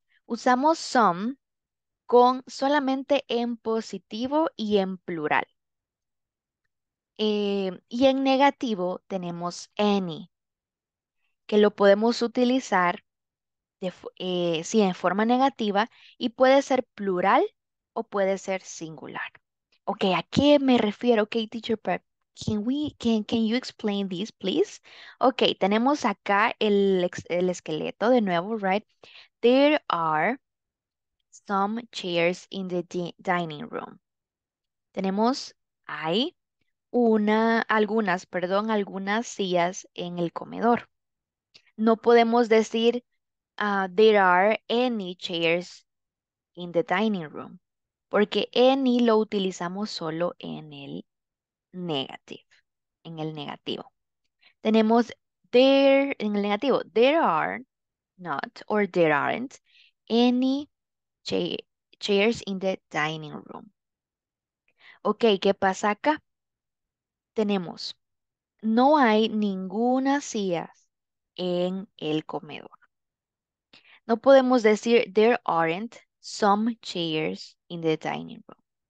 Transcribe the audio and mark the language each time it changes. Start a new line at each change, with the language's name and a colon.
Spanish: Usamos some con solamente en positivo y en plural. Y en negativo tenemos any, que lo podemos utilizar en forma negativa y puede ser plural o puede ser singular. Okay, ¿a qué me refiero?
English: Okay, teacher Pep, can you explain this, please?
Spanish: Okay, tenemos acá el esqueleto de nuevo, right?
English: There are some chairs in the dining room.
Spanish: Tenemos hay algunas sillas en el comedor. No podemos decir
English: there are any chairs in the dining room,
Spanish: porque any lo utilizamos solo en el negativo. Tenemos
English: there,
Spanish: en el negativo,
English: there are not or there aren't any chairs in the dining room.
Spanish: Ok, ¿qué pasa acá? Tenemos, no hay ninguna silla en el comedor. No podemos decir,
English: there aren't some chairs in the dining room.